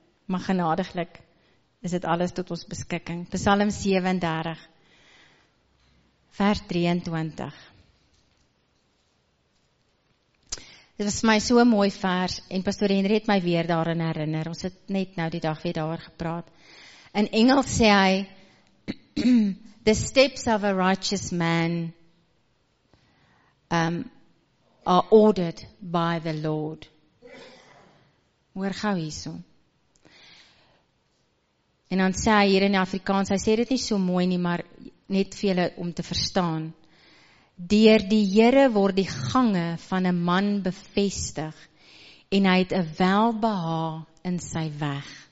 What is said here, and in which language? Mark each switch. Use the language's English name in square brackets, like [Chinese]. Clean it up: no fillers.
[Afrikaans] Maar genadiglik is dit alles tot ons beskikking. Psalm 37 vers 23. Dit was vir my so mooi vers en Pastor Henry het my weer daarin herinner. Ons het net nou die dag weer daar gepraat. In Engels sê hy [English] the steps of a righteous man are ordered by the Lord. [Afrikaans] Hoor gauw hierso. En dan sê hy hier in Afrikaans, hy sê dit nie so mooi nie, maar net vir julle om te verstaan. Deur die Here word die gange van 'n man bevestig, en hy het 'n welbeha in sy weg.